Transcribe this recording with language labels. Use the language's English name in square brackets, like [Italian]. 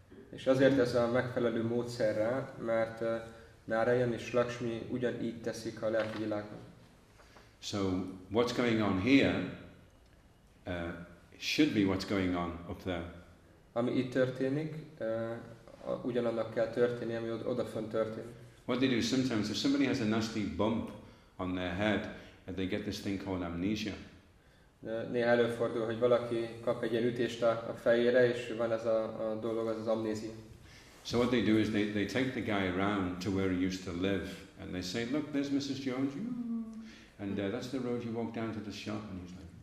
[Hungarian] És azért ez a megfelelő módszer rá, mert Narayan és Lakshmi ugyanígy teszik a lelki világban. [English] So what's going on here should be what's going on up there. [Hungarian] Ami itt történik, ugyanannak kell történni, ami odafönt történik. [English] What they do sometimes, if somebody has a nasty bump on their head, they get this thing called amnesia. [Hungarian] Néha előfordul, hogy valaki kap egy ilyen ütést a fejére, és van ez a dolog, az az amnézia. [English] So what they do is they take the guy around to where he used to live, and they say, look, there's Mrs. Jones, and that's the road you walk down to the shop, and he's like,